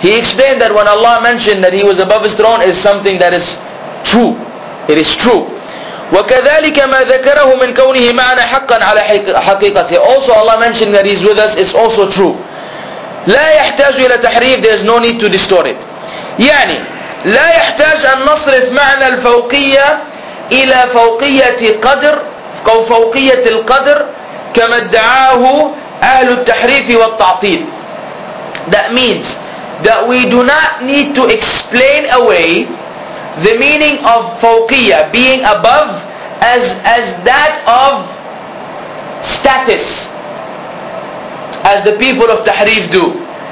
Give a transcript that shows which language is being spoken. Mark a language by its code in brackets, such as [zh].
[en] He explained that when Allah mentioned that He was above His throne is something that is true. It is true. [ar] وَكَذَلِكَ مَا ذَكَرَهُ مِنْ كَوْنِهِ مَعْنَا حَقًّا عَلَى حَقِيقَتِهِ. [en] Also Allah mentioned that He's with us is also true. [ar] لَا يَحْتَاجُ إِلَى تَحْرِيفٍ. [en] There is no need to distort it. [ar] يعني لا يحتاج أن نصرف معنى الفوقية إلى فوقية قدر أو فوقية القدر كما ادعاه أهل التحريف والتعطيل. [en] That means that we do not need to explain away the meaning of فوقية, being above, as that of status, as the people of Tahrif do.